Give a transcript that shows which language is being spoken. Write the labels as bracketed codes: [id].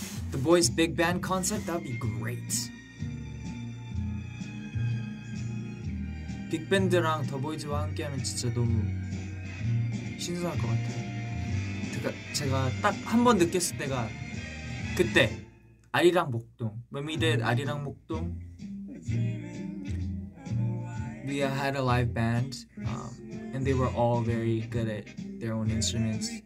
[en] The boys' big band concert, that'd be great. [ko] 빅밴드랑 더보이즈와 함께하면 진짜 너무 신선할 것 같아요. 제가 딱 한 번 느꼈을 때가 그때 아리랑 목동. [en] When we did 아리랑 목동, we had a live band, and they were all very good at their own instruments.